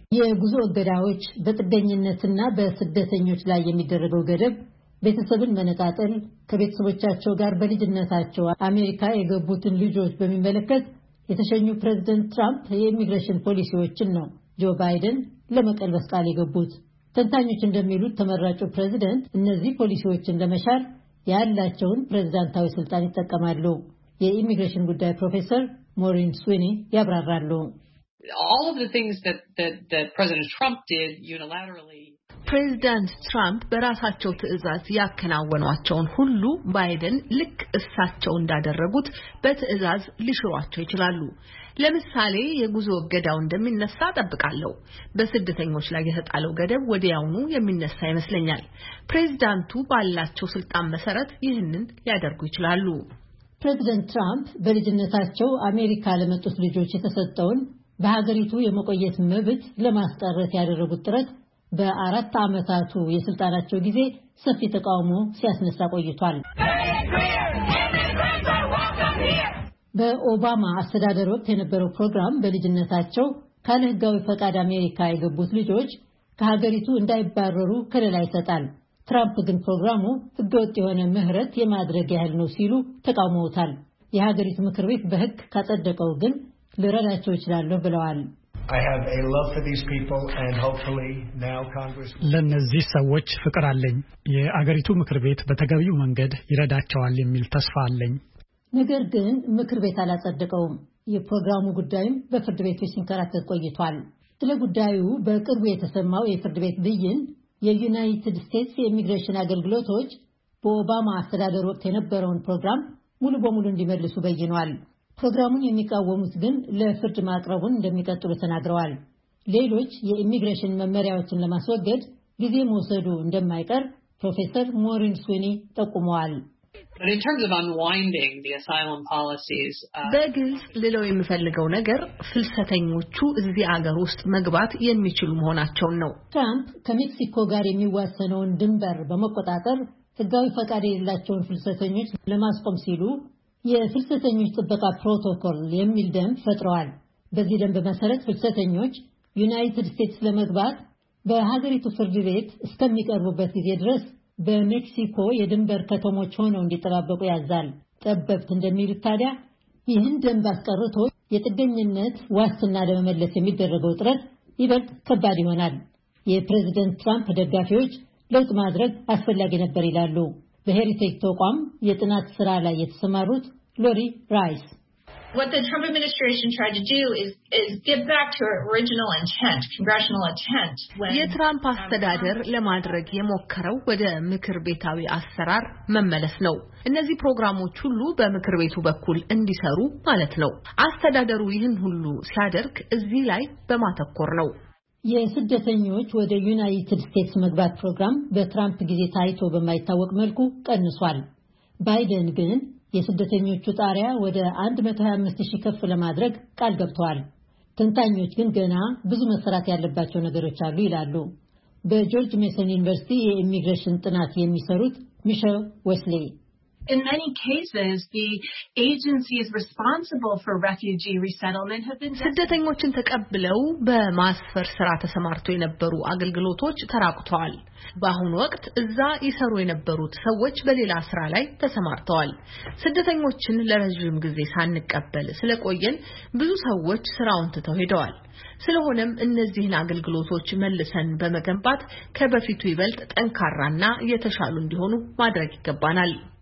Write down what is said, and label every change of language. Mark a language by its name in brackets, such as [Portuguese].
[Amharic] የጉዞ እገዳዎች፣ በጥገኝነትና በስደተኞች ላይ የሚደረገው ገደብ፣ ቤተሰብን መነጣጠል፣ ከቤተሰቦቻቸው ጋር በልጅነታቸው አሜሪካ የገቡትን ልጆች በሚመለከት የተሸኙ ፕሬዝደንት ትራምፕ የኢሚግሬሽን ፖሊሲዎችን ነው ጆ ባይደን ለመቀልበስ ቃል የገቡት። ተንታኞች እንደሚሉት ተመራጩ ፕሬዝደንት እነዚህ ፖሊሲዎችን ለመሻር ያላቸውን ፕሬዝዳንታዊ ስልጣን ይጠቀማሉ። የኢሚግሬሽን ጉዳይ ፕሮፌሰር ሞሪን ስዊኒ ያብራራሉ። [English] All of the things that President Trump did unilaterally [Amharic] ፕሬዝዳንት ትራምፕ በራሳቸው ትዕዛዝ ያከናወኗቸውን ሁሉ ባይደን ልክ እሳቸው እንዳደረጉት በትዕዛዝ ሊሽሯቸው ይችላሉ። ለምሳሌ የጉዞ እገዳው እንደሚነሳ ተጠብቃለው። በስደተኞች ላይ የተጣለው ገደብ ወዲያውኑ የሚነሳ ይመስለኛል። ፕሬዝዳንቱ ባላቸው ስልጣን መሰረት ይህንን ያደርጉ ይችላሉ። ፕሬዝዳንት ትራምፕ በልጅነታቸው አሜሪካ ለመጡት ልጆች የተሰጠውን በሀገሪቱ የመቆየት መብት ለማስጠረት ያደረጉት ጥረት በአራት ዓመታቱ የስልጣናቸው ጊዜ ሰፊ ተቃውሞ ሲያስነሳ ቆይቷል። በኦባማ አስተዳደር ወቅት የነበረው ፕሮግራም በልጅነታቸው ካለ ሕጋዊ ፈቃድ አሜሪካ የገቡት ልጆች ከሀገሪቱ እንዳይባረሩ ከለላ ይሰጣል። ትራምፕ ግን ፕሮግራሙ ሕገወጥ የሆነ ምህረት የማድረግ ያህል ነው ሲሉ ተቃውመውታል። የሀገሪቱ ምክር ቤት በሕግ ካጸደቀው ግን ልረዳቸው ይችላለሁ ብለዋል። [English] I have a love for these people and hopefully now Congress [Amharic] ለነዚህ ሰዎች ፍቅር አለኝ። የአገሪቱ ምክር ቤት በተገቢው መንገድ ይረዳቸዋል የሚል ተስፋ አለኝ። ነገር ግን ምክር ቤት አላጸደቀውም። የፕሮግራሙ ጉዳይም በፍርድ ቤቶች ሲንከራተት ቆይቷል። ስለ ጉዳዩ በቅርቡ የተሰማው የፍርድ ቤት ብይን የዩናይትድ ስቴትስ የኢሚግሬሽን አገልግሎቶች በኦባማ አስተዳደር ወቅት የነበረውን ፕሮግራም ሙሉ በሙሉ እንዲመልሱ በይኗል። ፕሮግራሙን የሚቃወሙት ግን ለፍርድ ማቅረቡን እንደሚቀጥሉ ተናግረዋል። ሌሎች የኢሚግሬሽን መመሪያዎችን ለማስወገድ ጊዜ መውሰዱ እንደማይቀር ፕሮፌሰር ሞሪን ስዊኒ ጠቁመዋል። [English] But in terms of unwinding the asylum policies [Amharic] በግልጽ ልለው የምፈልገው ነገር ፍልሰተኞቹ እዚህ አገር ውስጥ መግባት የሚችሉ መሆናቸው ነው። ትራምፕ ከሜክሲኮ ጋር የሚዋሰነውን ድንበር በመቆጣጠር ህጋዊ ፈቃድ የሌላቸውን ፍልሰተኞች ለማስቆም ሲሉ የፍልሰተኞች ጥበቃ ፕሮቶኮል የሚል ደንብ ፈጥረዋል። በዚህ ደንብ መሰረት ፍልሰተኞች ዩናይትድ ስቴትስ ለመግባት በሀገሪቱ ፍርድ ቤት እስከሚቀርቡበት ጊዜ ድረስ በሜክሲኮ የድንበር ከተሞች ሆነው እንዲጠባበቁ ያዛል። ጠበብት እንደሚሉት ታዲያ ይህን ደንብ አስቀርቶ የጥገኝነት ዋስትና ለመመለስ የሚደረገው ጥረት ይበልጥ ከባድ ይሆናል። የፕሬዚደንት ትራምፕ ደጋፊዎች ለውጥ ማድረግ አስፈላጊ ነበር ይላሉ። በሄሪቴጅ ተቋም የጥናት ስራ ላይ የተሰማሩት ሎሪ ራይስ [English] What the Trump administration tried to do is get back to her original intent, congressional intent. [Amharic] የትራምፕ አስተዳደር ለማድረግ የሞከረው ወደ ምክር ቤታዊ አሰራር መመለስ ነው። እነዚህ ፕሮግራሞች ሁሉ በምክር ቤቱ በኩል እንዲሰሩ ማለት ነው። አስተዳደሩ ይህን ሁሉ ሲያደርግ እዚህ ላይ በማተኮር ነው። የስደተኞች ወደ ዩናይትድ ስቴትስ መግባት ፕሮግራም በትራምፕ ጊዜ ታይቶ በማይታወቅ መልኩ ቀንሷል። ባይደን ግን የስደተኞቹ ጣሪያ ወደ 125,000 ከፍ ለማድረግ ቃል ገብቷል። ተንታኞች ግን ገና ብዙ መሰራት ያለባቸው ነገሮች አሉ ይላሉ። በጆርጅ ሜሰን ዩኒቨርሲቲ የኢሚግሬሽን ጥናት የሚሰሩት ሚሼል ወስሊ [English] In many cases, the agency is responsible for refugee resettlement. [Amharic] ስደተኞችን ተቀብለው በማስፈር ስራ ተሰማርተው የነበሩ አገልግሎቶች ተራቁተዋል። በአሁን ወቅት እዛ ይሰሩ የነበሩት ሰዎች በሌላ ስራ ላይ ተሰማርተዋል። ስደተኞችን ለረጅም ጊዜ ሳንቀበል ስለቆየን ብዙ ሰዎች ስራውን ትተው ሄደዋል። ስለሆነም እነዚህን አገልግሎቶች መልሰን በመገንባት ከበፊቱ ይበልጥ ጠንካራና የተሻሉ እንዲሆኑ ማድረግ ይገባናል።